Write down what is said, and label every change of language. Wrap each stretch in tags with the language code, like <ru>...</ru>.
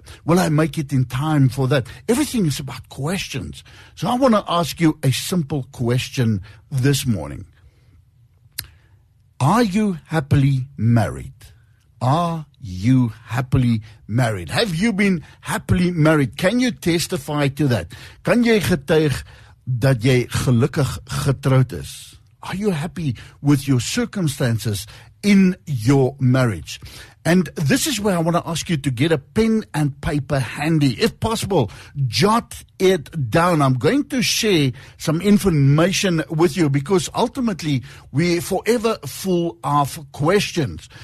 <en>Will I make it in time for that? Everything is about questions. So I want to ask you a simple question this morning. Are you happily married? Are you happily married? Have you been happily married? Can you testify to that?</en> <af>Kan jy getuig dat jy gelukkig getroud is?</af> <en>Are you happy with your circumstances in your marriage? And this is where I want to ask you to get a pen and paper handy. If possible, jot it down. I'm going to share some information with you, because ultimately we're forever full of questions.</en>